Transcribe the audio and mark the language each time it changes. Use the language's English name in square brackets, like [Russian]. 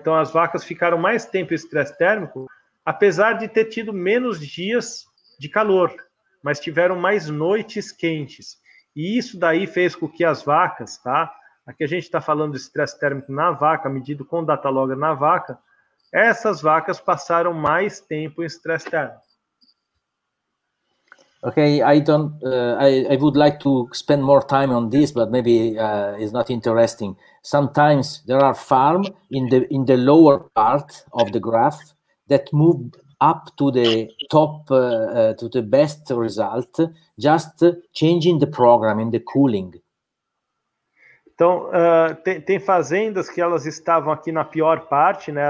[Portuguese] Então, as vacas ficaram mais tempo em estresse térmico, apesar de ter tido menos dias de calor, mas tiveram mais noites quentes. E isso daí fez com que as vacas, tá? Aqui a gente está falando de estresse térmico na vaca, medido com data logger na vaca, essas vacas passaram mais tempo em estresse térmico. [English] Okay, I would like to spend more time on this, but maybe it's not interesting. Sometimes there are farms in the lower part of the graph that move up to the top to the best result, just changing the program in the cooling. [Portuguese] Então, tem fazendas que elas estavam aqui na pior parte, né?